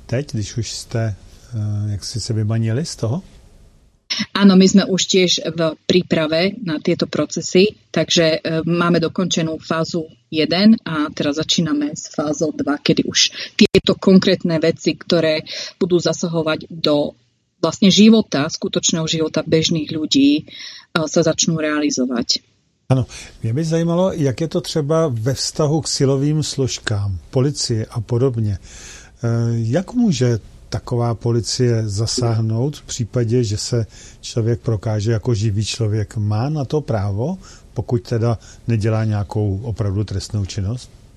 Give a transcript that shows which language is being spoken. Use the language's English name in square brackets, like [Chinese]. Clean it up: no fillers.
[Czech] Teď, když už ste jaksi se vymanili z toho? [Slovak] Áno, my sme už tiež v príprave na tieto procesy, takže máme dokončenú fázu 1 a teraz začíname s fázou 2, kedy už tieto konkrétne veci, ktoré budú zasahovať do vlastne života, skutočného života bežných ľudí, sa začnú realizovať. [Czech] Áno, mňa by zajímalo, jak je to třeba ve vztahu k silovým složkám, policie a podobne. Jak môže taková policie zasáhnout v případě, že se člověk prokáže jako živý člověk, má na to právo, pokud teda nedělá nějakou opravdu trestnou činnost?